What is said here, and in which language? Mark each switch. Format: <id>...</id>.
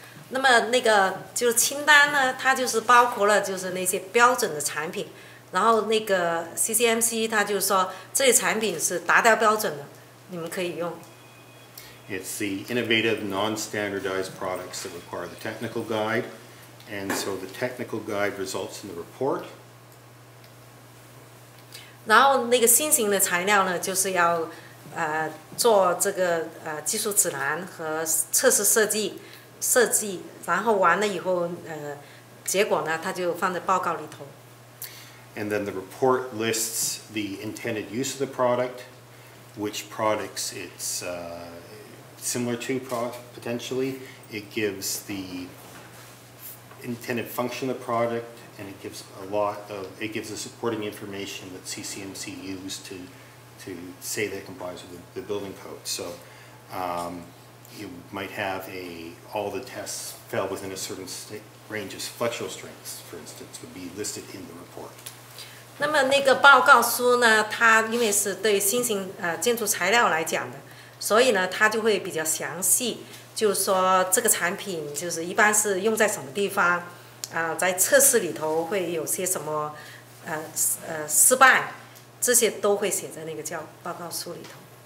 <zh>那么那个就是清单呢，它就是包括了就是那些标准的产品，然后那个 CCMC 它就是说这些产品是达到标准的，你们可以用。</zh> <en>It's the innovative non-standardized products that require the technical guide, and so the technical guide results in the report.</en> <zh>然后那个新型的材料呢，就是要做这个技术指南和测试设计。设计，然后完了以后，结果呢，它就放在报告里头。</zh> <en>And then the report lists the intended use of the product, which products it's similar to potentially. It gives the intended function of the product, and it gives the supporting information that CCMC used to say that it complies with the building code. So. You might have all the tests fell within a certain range of flexural strengths, for instance, would be listed in the report.</en> <zh>那么那个报告书呢，它因为是对新型建筑材料来讲的，所以呢，它就会比较详细，就是说这个产品就是一般是用在什么地方，在测试里头会有些什么失败，这些都会写在那个叫报告书里头。</zh>